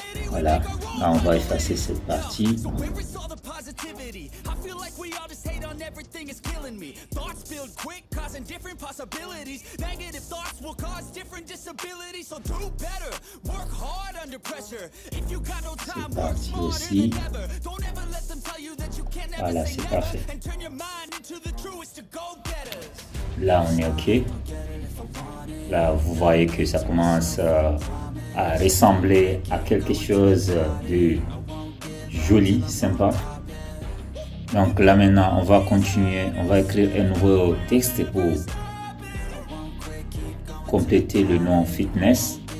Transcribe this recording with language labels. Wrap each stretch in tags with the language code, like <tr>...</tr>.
<fr>Voilà, là, on va effacer cette partie.</fr> <en>negativity. I feel like we all just hate on everything, it's killing me. Thoughts build quick, causing different possibilities. Negative thoughts will cause different disabilities. So do better, work hard under pressure. If you got no time, work smarter than ever. Don't ever let them tell you that you can't ever say never. And turn your mind into the truest to go-getters.</en> <fr>Là on est ok. Là vous voyez que ça commence à ressembler à quelque chose de joli, sympa. Donc là maintenant on va continuer, on va écrire un nouveau texte pour compléter le nom fitness.</fr>